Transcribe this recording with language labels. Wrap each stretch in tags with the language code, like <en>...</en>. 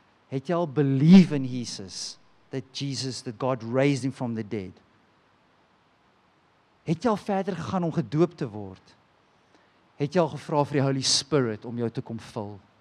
<af>Het jy al</af> <en>believe in Jesus, that Jesus, that God raised him from the dead?</en> <af>Het jy al verder gegaan om gedoop te word? Het jy al gevra vir die Holy Spirit om jou te kom vul?</af>